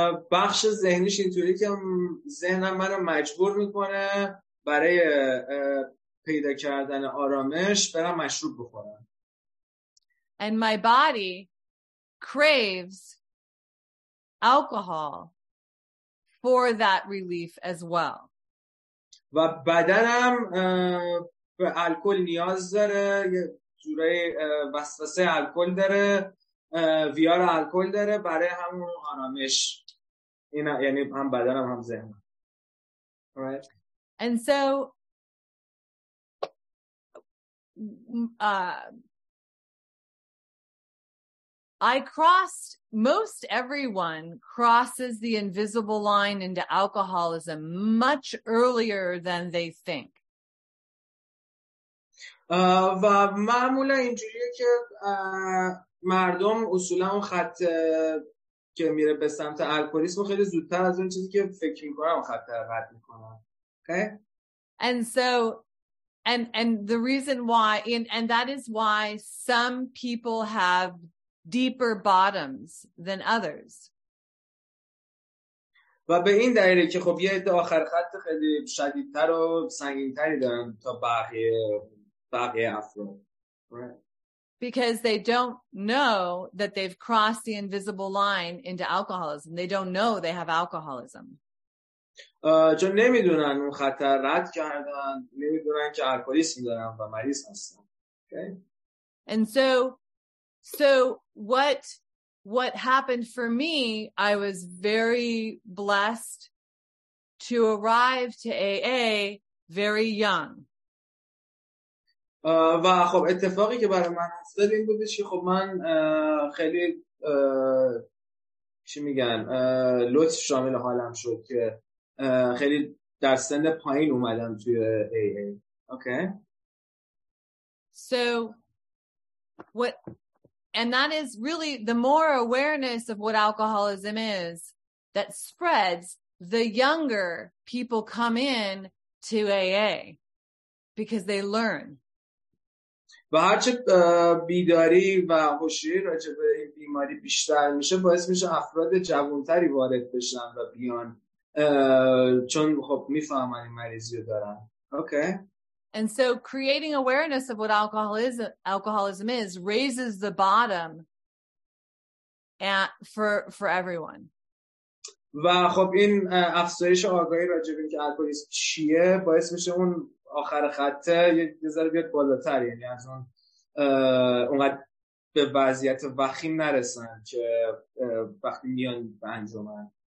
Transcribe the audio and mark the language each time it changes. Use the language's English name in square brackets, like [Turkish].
[Persian] بخش ذهنیش اینطوری که ذهنم منو مجبور میکنه برای پیدا کردن آرامش برم مشروب بخورم. [English] And my body craves alcohol for that relief as well. [Persian] و بدنم به الکل نیاز داره، یه جوره وسوسه الکل داره، ویار الکل داره برای همون آرامش. این یعنی هم بدنم هم ذهنم. [English] Right. And so I crossed, most everyone crosses the invisible line into alcoholism much earlier than they think. [Persian] و معمولا اینجوریه که مردم اصولا اون خط که میره به سمت الکلیسم خیلی زودتر از اون چیزی که فکر میکنن خط قطع میکنن. [English] Okay? And so and the reason why and that is why some people have deeper bottoms than others. [Persian] و به این دلیل که خب یه عده آخر خط خیلی شدیدتر و سنگینتری دارن تا بقیه افراد. [English] Right. Because they don't know that they've crossed the invisible line into alcoholism. They don't know they have alcoholism. [Persian] چون نمیدونن اون خطر رد کردن، نمیدونن که الکلیسم دارن و مریض هستن. [English] Okay. And so what happened for me, I was very blessed to arrive to AA very young. [Persian] و خب اتفاقی که برای من افتاد این بودش که خب من خیلی چی میگن لطف شامل حالم شد که خیلی در سن پایین اومدم توی AA. [English] Okay. So what, and that is really the more awareness of what alcoholism is that spreads, the younger people come in to AA because they learn. [Persian] و هرچه بیداری و هوشی راجع به این بیماری بیشتر میشه باعث میشه افراد جوانتری وارد بشن و بیان چون خب میفهمن این مریضی رو دارن. [English] Okay. And so creating awareness of what alcoholism is raises the bottom for everyone. [Persian] و خب این افزایش آگاهی راجع به اینکه الکلیسم چیه باعث میشه اون آخر خط یه ذره بیاد بالاتر، یعنی از اون اونقدر به وضعیت وخیم نرسن که وقتی میان به انجمن.